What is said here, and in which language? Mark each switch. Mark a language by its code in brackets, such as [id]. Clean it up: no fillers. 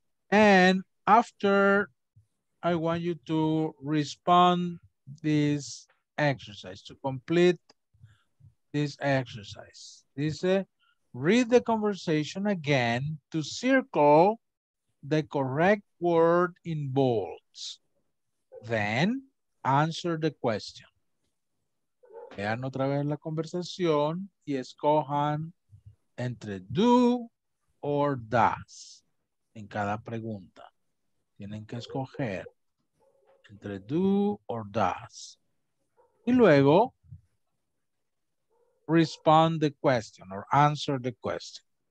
[en] And after, I want you to respond this exercise, to complete this exercise. This is read the conversation again to circle the correct word in bolds. Then answer the question. [es] Vean otra vez la conversación y escojan entre do or does en cada pregunta. Tienen que escoger entre do or does. Y luego [en] respond the question or answer the question.